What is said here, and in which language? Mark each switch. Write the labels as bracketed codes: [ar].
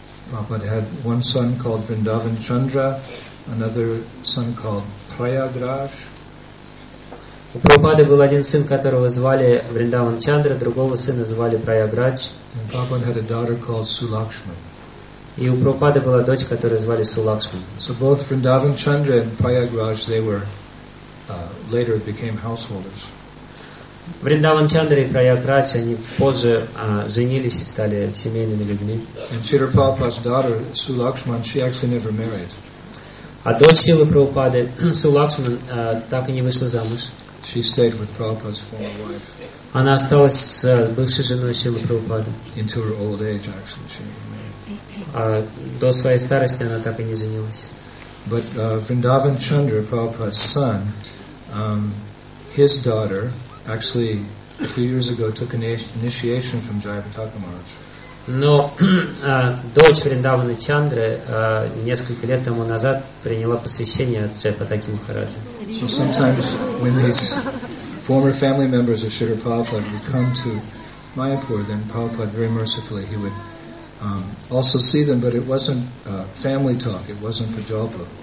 [en] Prabhupada had one son called Vrindavan Chandra, another son called Prayagraj. [ru] У Прабхупады был один сын, которого звали Вриндаван Чандра, другого сына звали Прайаградж. [en] And Prabhupada had a daughter called Sulakshmi. [ru] И у Прабхупады была дочь, которую звали Сулакшми. [en] So both Vrindavan Chandra and Prayagraj, they were later became householders. [ru] Vrindavan Chandra и Prayagraj, они позже женились и стали семейными людьми. [en] And Srila Prabhupada's daughter, Sulakshman, she actually never married. [ru] А дочь Силы Прабхупады, Сулакшман, так и не вышла замуж. [en] She stayed with Prabhupada's former wife. [ru] Она осталась с бывшей женой Силы Прабхупады. [en] Until her old age, actually, she never married. [ru] До своей старости она так и не женилась. [en] But Vrindavan Chandra, Prabhupada's son, his daughter actually a few years ago took an initiation from Jaya Pataka Maharaj. [ru] Но дочь Вриндаваны Чандры несколько лет тому назад приняла посвящение от Джая Патаки Махараджа. [en] So sometimes when these former family members of Srila Prabhupada would come to Mayapur, then Prabhupada very mercifully he would also see them, but it wasn't family talk, it wasn't for japa.